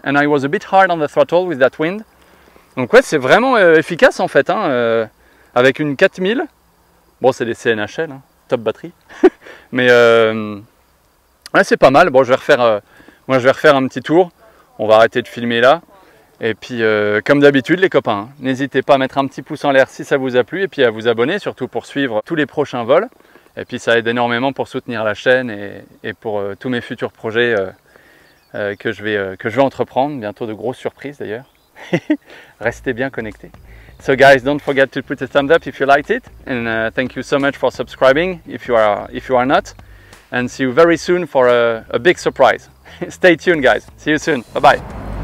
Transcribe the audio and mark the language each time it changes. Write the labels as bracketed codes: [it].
[en] And I was a bit hard on the throttle with that wind. [fr] Donc ouais, c'est vraiment efficace en fait, hein, avec une 4000. Bon, c'est des CNHL, hein, top batterie. Mais ouais, c'est pas mal. Bon, je vais refaire, moi, je vais refaire un petit tour. On va arrêter de filmer là. Et puis, comme d'habitude, les copains, hein, n'hésitez pas à mettre un petit pouce en l'air si ça vous a plu. Et puis à vous abonner, surtout pour suivre tous les prochains vols. Et puis, ça aide énormément pour soutenir la chaîne et pour tous mes futurs projets que je vais entreprendre. Bientôt de grosses surprises d'ailleurs. Restez bien connectés. [en] So guys, don't forget to put a thumbs up if you liked it, and thank you so much for subscribing if you are not, and see you very soon for a big surprise. Stay tuned guys, see you soon, bye bye.